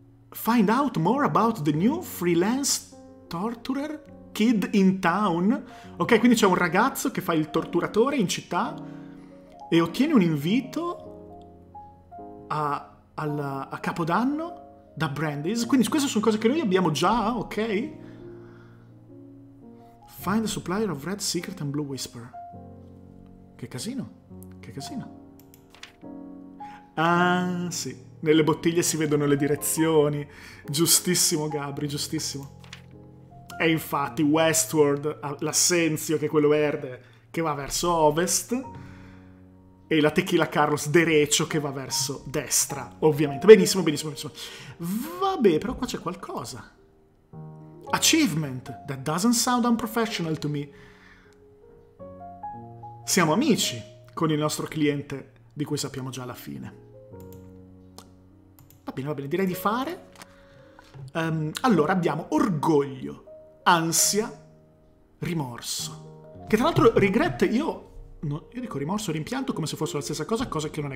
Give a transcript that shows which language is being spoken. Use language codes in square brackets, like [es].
[en] Find out more about the new freelance torturer kid in town. [it] Ok, quindi c'è un ragazzo che fa il torturatore in città e ottiene un invito a Capodanno da Brandy's. Quindi queste sono cose che noi abbiamo già, ok? [en] Find a supplier of Red Secret and Blue Whisper. [it] Che casino. Ah, sì. Nelle bottiglie si vedono le direzioni. Giustissimo, Gabri, giustissimo. E infatti, Westward, l'Assenzio, che è quello verde, che va verso ovest. E la Tequila Carlos Derecho, che va verso destra, ovviamente. Benissimo. Vabbè, però qua c'è qualcosa. [en] Achievement that doesn't sound unprofessional to me. [it] Siamo amici con il nostro cliente, di cui sappiamo già la fine. Va bene, direi di fare. Allora, abbiamo orgoglio, ansia, rimorso. Che tra l'altro, regret, io dico rimorso e rimpianto come se fosse la stessa cosa, cosa che non è.